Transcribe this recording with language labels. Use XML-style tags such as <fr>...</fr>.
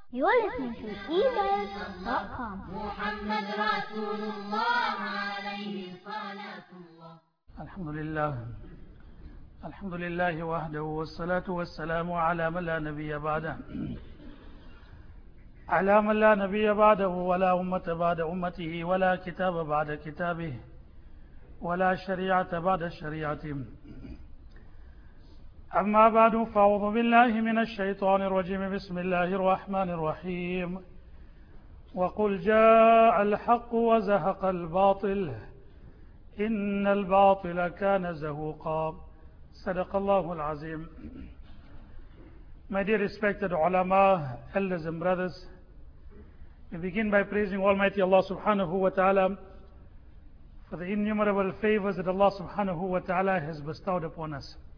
<en>You're listening to ebuzz.com.</en> <ar>محمد رسول الله عليه الصلاة والسلام. الحمد لله. الحمد لله وحده والصلاة والسلام على من لا نبي بعده. على من لا نبي بعده ولا أمة بعد أمته ولا كتاب بعد كتابه ولا شريعة بعد شريعته. أما بعد فأعوذ بالله من الشيطان الرجيم بسم الله الرحمن الرحيم. وقل جاء الحق وزهق الباطل إن الباطل كان زهوقا. صدق الله العظيم.</ar> <en>My dear respected ulama, elders and brothers, we begin by praising Almighty Allah subhanahu wa ta'ala for the innumerable favors that Allah subhanahu wa ta'ala has bestowed upon us.</en>